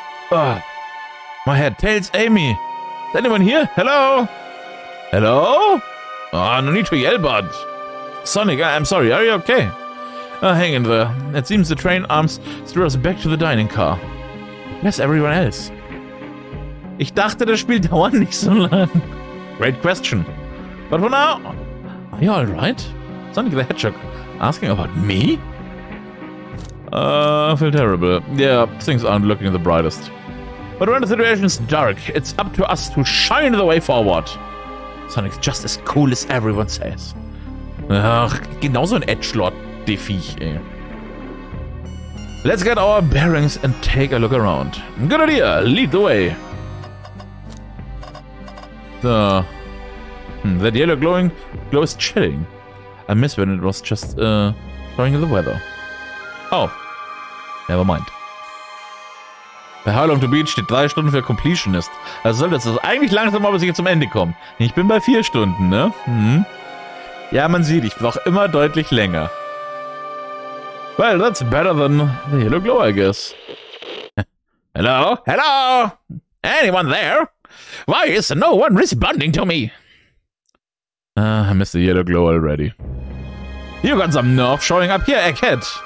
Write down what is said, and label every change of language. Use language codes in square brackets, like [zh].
[en] Ugh. My head. Tails, Amy. Is anyone here? Hello? Hello? Oh, no need to yell, bud. Sonic, I'm sorry, are you okay? Hang in there. It seems the train arms threw us back to the dining car. Where's everyone else? [de] Ich dachte, das Spiel dauert nicht so lang. [en] Great question. But for now... Are you alright? Sonic the Hedgehog asking about me? I feel terrible. Yeah, things aren't looking the brightest. But when the situation is dark, it's up to us to shine the way forward. Sonic's just as cool as everyone says. [de] Ach, genauso ein Edgelord, die Viech, ey. [en] Let's get our bearings and take a look around. Good idea, lead the way. So. That yellow glow is chilling. I miss when it was just, showing the weather. Oh. Never mind. [de] Beheilung to Beach steht 3 Stunden für Completionist. Also sollte es eigentlich langsam aber sicher zum Ende kommen. Ich bin bei 4 Stunden, ne? Mhm. Ja, man sieht, ich brauche immer deutlich länger. [en] Well, that's better than the yellow glow, I guess. Hello? Hello? Anyone there? Why is no one responding to me? I missed the yellow glow already. You got some nerve showing up here, egghead.